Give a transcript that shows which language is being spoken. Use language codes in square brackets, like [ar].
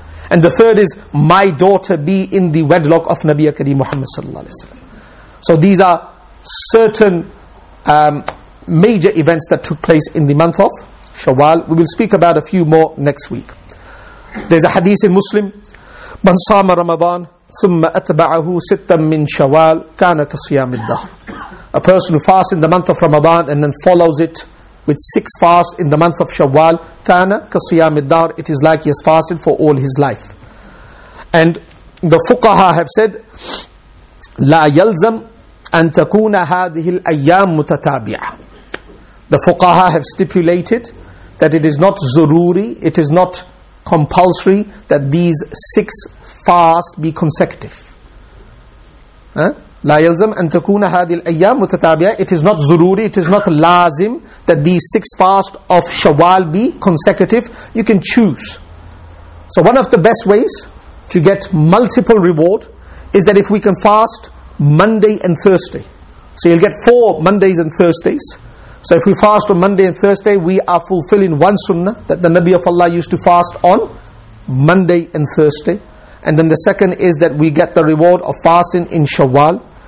[en] And the third is, my daughter be in the wedlock of Nabi Akram Muhammad Sallallahu Alaihi Wasallam. So these are certain major events that took place in the month of Shawwal. We will speak about a few more next week. There's a hadith in Muslim. [ar] من صام رمضان ثم أتبعه ستة من شوال كان كصيام الدهر. [en] A person who fasts in the month of Ramadan and then follows it with six fasts in the month of Shawwal, [ar] كان كصيام الدهر. [en] It is like he has fasted for all his life. And the [ar] فقهاء [en] have said, [ar] لا يلزم أن تكون هذه الأيام متتابعة. [en] The فقهاء have stipulated that it is not zaruri, it is not compulsory that these six fasts be consecutive. [ar] لا يلزم أن تكون هذه الأيام متتابعة. [en] It is not zaruri, it is not lazim that these six fasts of Shawwal be consecutive. You can choose. So one of the best ways to get multiple reward is that if we can fast Monday and Thursday. So you'll get four Mondays and Thursdays. So if we fast on Monday and Thursday, we are fulfilling one sunnah that the Nabi of Allah used to fast on Monday and Thursday. And then the second is that we get the reward of fasting in Shawwal.